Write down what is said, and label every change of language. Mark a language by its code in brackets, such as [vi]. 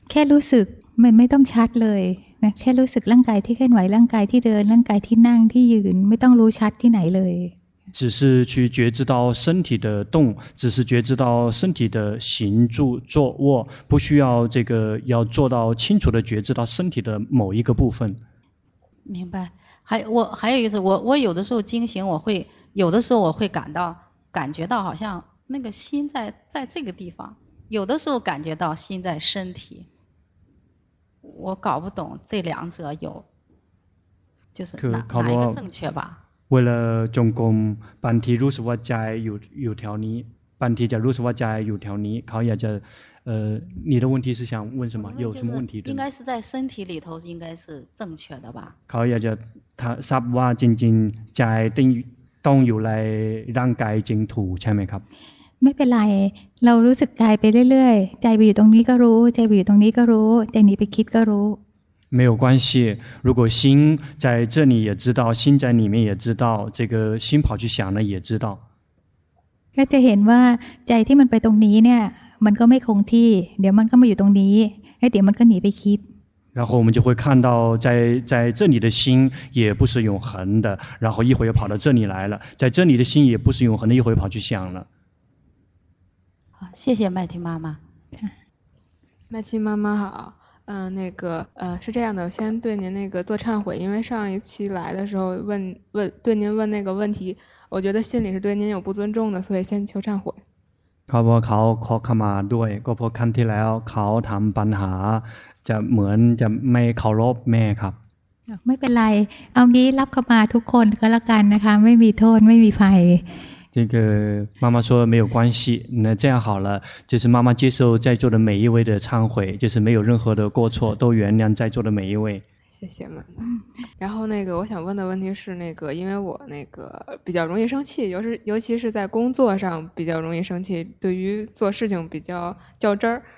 [th] แค่รู้สึกไม่ต้องชัดเลยนะแค่รู้สึกร่างกายที่เคลื่อนไหวร่างกายที่เดินร่างกายที่นั่งที่ยืนไม่ต้องรู้ชัดที่ไหนเลย [zh] 只是去觉知到身体的动，只是觉知到身体的行住坐卧，不需要这个要做到清楚的觉知到身体的某一个部分。明白。还有一个是我有的时候惊醒，有的时候我会感觉到好像那个心在这个地方，有的时候感觉到心在身体。我搞不懂这两者有，就是哪一个正确吧。 [th] เวลาจงกรมบางทีรู้สึกว่าใจอยู่แถวนี้บางทีจะรู้สึกว่าใจอยู่แถวนี้เขาอยากจะ [zh] 你的问题是想问什么有什么问题的应该是在身体里头应该是正确的吧 [th] เขาอยากจะทราบว่าจริงๆใจต้องอยู่ในร่างกายจริงถูกใช่ไหมครับ ไม่เป็นไรเรารู้สึกกายไปเรื่อยๆใจไปอยู่ตรงนี้ก็รู้ใจไปอยู่ตรงนี้ก็รู้ใจหนีไปคิดก็รู้ [zh] 没有关系，如果心在这里也知道，心在里面也知道，这个心跑去想了也知道。 [th] ก็จะเห็นว่าใจที่มันไปตรงนี้เนี่ยมันก็ไม่คงที่เดี๋ยวมันก็มาอยู่ตรงนี้แล้วเดี๋ยวมันก็หนีไปคิด [zh] 然后我们就会看到在这里的心也不是永恒的，然后一会又跑到这里来了，在这里的心也不是永恒的，一会又跑去想了。好，谢谢麦婷妈妈。麦婷妈妈好。是这样的，先对您那个做忏悔，因为上一期来的时候对您问那个问题，我觉得心里是对您有不尊重的，所以先求忏悔。 [th] ครับ เขาขอขมาด้วย ก็เพราะครั้งที่แล้วเขาทำปัญหาจะเหมือนจะไม่เคารพแม่ครับ ไม่เป็นไร เอางี้รับขมาทุกคนก็แล้วกันนะคะ ไม่มีโทษ ไม่มีภัย [zh] 这个妈妈说没有关系，那这样好了，就是妈妈接受在座的每一位的忏悔，就是没有任何的过错，都原谅在座的每一位。谢谢妈妈。然后那个我想问的问题是，那个因为我那个比较容易生气，尤其是在工作上比较容易生气，对于做事情比较较真儿。